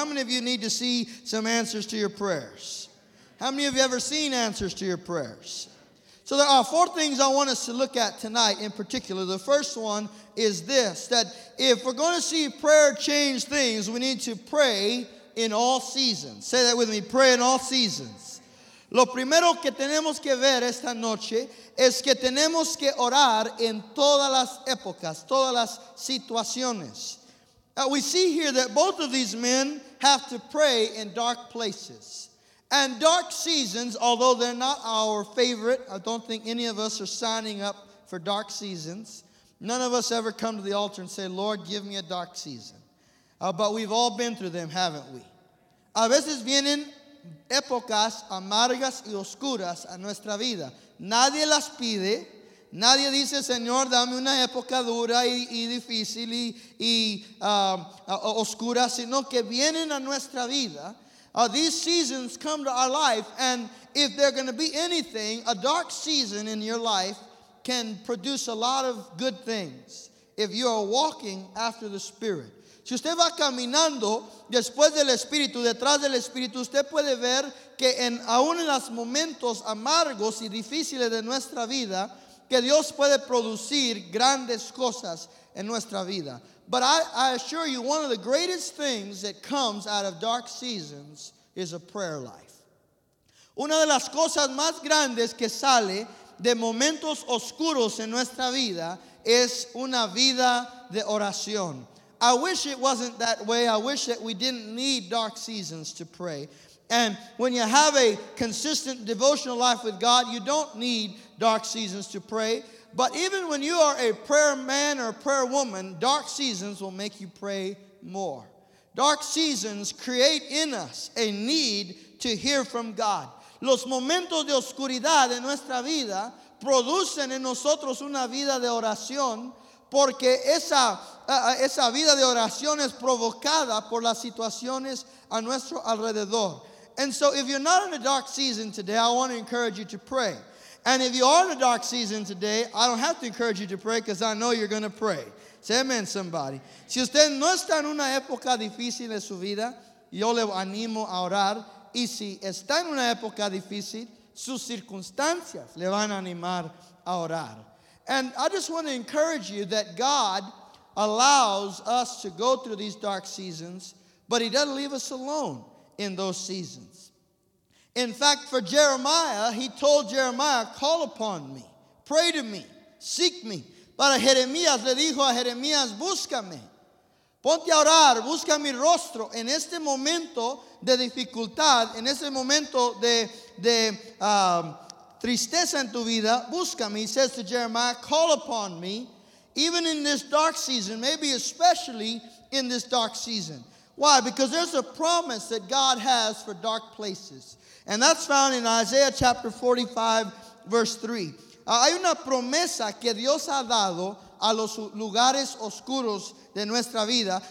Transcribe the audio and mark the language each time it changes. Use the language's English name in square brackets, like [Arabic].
[English] How many of you need to see some answers to your prayers? How many of you ever seen answers to your prayers? So there are four things I want us to look at tonight in particular. The first one is this, that if we're going to see prayer change things, we need to pray in all seasons. Say that with me, pray in all seasons. [Spanish] Lo primero que tenemos que ver esta noche es que tenemos que orar en todas las épocas, todas las situaciones. [English] We see here that both of these men have to pray in dark places. And dark seasons, although they're not our favorite, I don't think any of us are signing up for dark seasons. None of us ever come to the altar and say, Lord, give me a dark season. But we've all been through them, haven't we? [Spanish] A veces vienen épocas amargas y oscuras a nuestra vida. Nadie las pide. Nadie dice, Señor, dame una época dura y difícil y oscura, sino que vienen a nuestra vida. [English] These seasons come to our life, and if they're going to be anything, a dark season in your life can produce a lot of good things if you are walking after the Spirit. [Spanish] Si usted va caminando después del Espíritu, detrás del Espíritu, usted puede ver que aún en los momentos amargos y difíciles de nuestra vida, que Dios puede producir grandes cosas en nuestra vida. [English] But I assure you, one of the greatest things that comes out of dark seasons is a prayer life. [Spanish] Una de las cosas más grandes que sale de momentos oscuros en nuestra vida es una vida de oración. [English] I wish it wasn't that way. I wish that we didn't need dark seasons to pray. And when you have a consistent devotional life with God, you don't need dark seasons to pray. But even when you are a prayer man or a prayer woman, dark seasons will make you pray more. Dark seasons create in us a need to hear from God. [Spanish] Los momentos de oscuridad en nuestra vida producen en nosotros una vida de oración, porque esa vida de oración es provocada por las situaciones a nuestro alrededor. [English] And so if you're not in a dark season today, I want to encourage you to pray. And if you are in a dark season today, I don't have to encourage you to pray because I know you're going to pray. Say amen, somebody. [Spanish] Si usted no está en una época difícil en su vida, yo le animo a orar. Y si está en una época difícil, sus circunstancias le van a animar a orar. [English] And I just want to encourage you that God allows us to go through these dark seasons, but he doesn't leave us alone in those seasons. In fact, for Jeremiah, he told Jeremiah, call upon me, pray to me, seek me. [Spanish] Para Jeremías, le dijo a Jeremías, búscame. Ponte a orar, busca mi rostro en este momento de dificultad, en este momento de tristeza en tu vida. Búscame, [English] he says to Jeremiah, call upon me, even in this dark season, maybe especially in this dark season. Why? Because there's a promise that God has for dark places. And that's found in Isaiah chapter 45, verse 3. [Spanish] Hay una promesa que Dios ha dado a los lugares oscuros de nuestra vida.